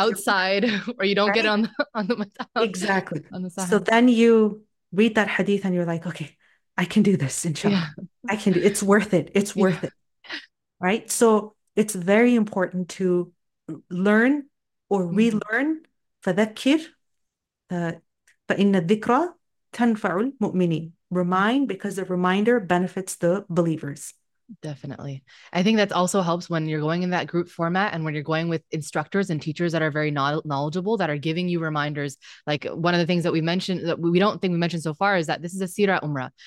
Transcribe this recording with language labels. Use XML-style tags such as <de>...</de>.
<en>outside, or you don't get right? Exactly. on the So side. then you read that hadith and you're like, okay, I can do this, inshallah. I can do it. It's worth it. It's worth it. Right? So it's very important to learn or relearn.</en> <ar>فذكر فإن الذكرى تنفع المؤمنين.</ar> <en>Remind, because the reminder benefits the believers. Definitely. I think that also helps when you're going in that group format and when you're going with instructors and teachers that are very knowledgeable, that are giving you reminders. Like one of the things that we mentioned that we don't think we mentioned so far is that this is a Sira Umrah.</en>